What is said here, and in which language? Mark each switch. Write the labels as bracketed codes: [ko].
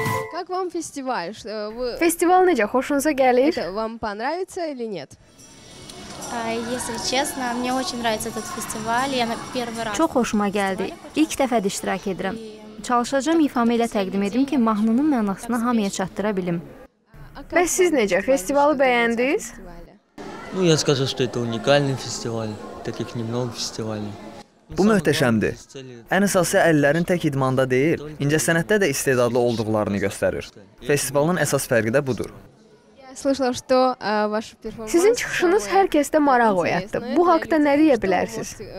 [ru] Как вам фестиваль? Фестиваль нечего, хошунса гелиш. Вам понравится или нет? Если честно, мне очень нравится этот фестиваль. Я на первый раз. [tr] Çok hoşuma geldi. [az] İlk defa iştirak edirəm. Çalışacağım ifamı ilə təqdim edim ki, mahnının mənasını hamıya çatdıra bilim. Bəs siz necə, festivalı bəyəndiniz? [ru] Я скажу, что это уникальный фестиваль, таких немного фестивалей. [az] Bu möhtəşəmdir. Ən əsası əllərin tək idmanda deyil, incəsənətdə də istedadlı olduqlarını göstərir. Festivalın əsas fərqi də budur. Sizin çıxışınız hər kəsdə maraq oyatdı. Bu haqda nə deyə bilərsiniz?